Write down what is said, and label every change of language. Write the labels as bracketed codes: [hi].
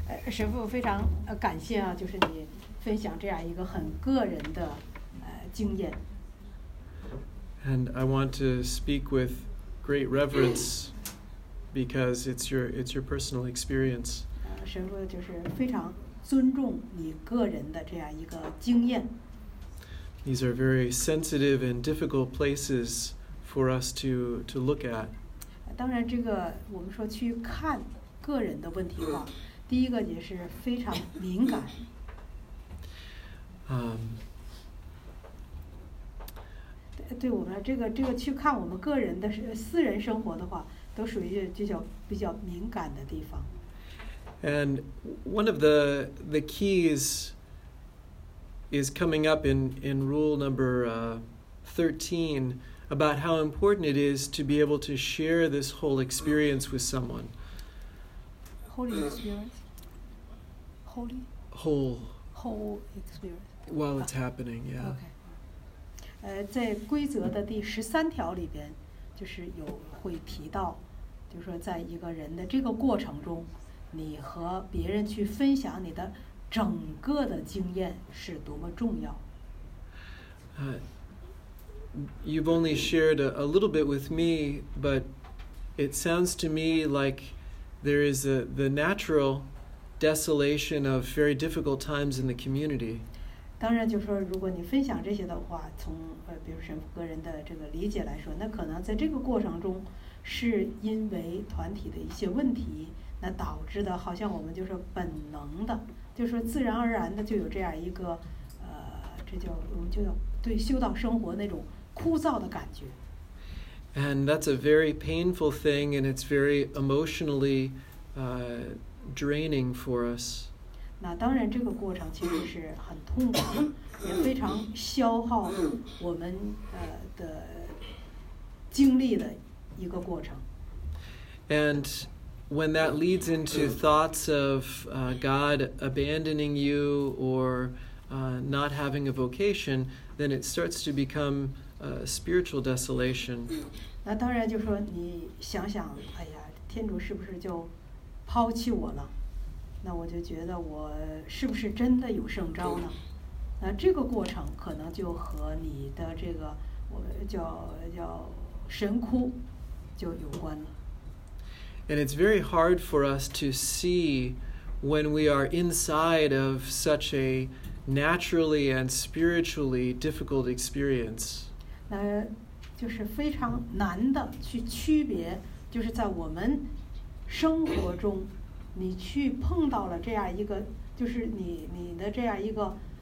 [zh] 神父非常感谢啊，就是你分享这样一个很个人的经验。 [en] And I want to speak with great reverence because it's your personal experience. [zh] 神父就是非常尊重你个人的这样一个经验。 [en] These are very sensitive and difficult places for us to look at. [zh] 当然这个我们说去看个人的问题的话，第一个也是非常敏感。对我们这个去看我们个人的私人生活的话，都属于这叫比较敏感的地方。 [en] And one of the keys is coming up in rule number 13. About how important it is to be able to share this whole experience with someone. Holy experience? Holy? Whole experience. While it's happening, yeah. Okay. [zh] 在规则的第十三条里边，就是有会提到，就是说在一个人的这个过程中，你和别人去分享你的整个的经验是多么重要。 [en] You've only shared a little bit with me, but it sounds to me like there is the natural desolation of very difficult times in the community. [zh] 当然就是说如果你分享这些的话，从比如神父个人的这个理解来说，那可能在这个过程中是因为团体的一些问题，那导致的好像我们就是本能的，就是自然而然的就有这样一个这叫我们就叫对修道生活那种枯燥的感觉。 [en] And that's a very painful thing, and it's very emotionally draining for us. [zh] 那当然这个过程其实是很痛苦的，也非常消耗我们的精力的一个过程。 [en] And when that leads into thoughts of God abandoning you or not having a vocation, then it starts to become a spiritual desolation. [zh] 那当然就是说你想想，哎呀，天主是不是就抛弃我了？那我就觉得我是不是真的有圣召呢？那这个过程可能就和你的这个我叫神哭就有关了。 [en] And it's very hard for us to see when we are inside of such a naturally and spiritually difficult experience. [zh] 那就是非常难的去区别，就是在我们生活中你去碰到了这样一个，就是你的这样一个